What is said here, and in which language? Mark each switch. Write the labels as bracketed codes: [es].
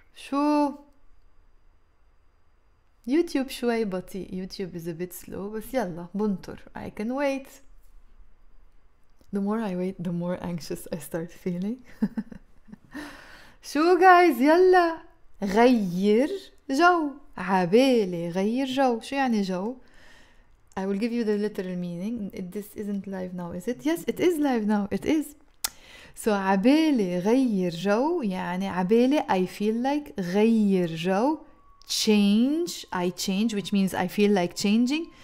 [ar] شو? يوتيوب شوي بطيء. [en] YouTube is a bit slow. [ar] بس يلا بنطر. [en] I can wait. The more I wait, the more anxious I start feeling. [ar] شو guys, يلا غير جو. عبالي غير جو. شو يعني جو? [en] I will give you the literal meaning. This isn't live now, is it? Yes, it is live now. It is. [ar] So عبالي غير جو يعني عبالي [en] I feel like [ar] غير جو. [en] Change, I change, which means I feel like changing.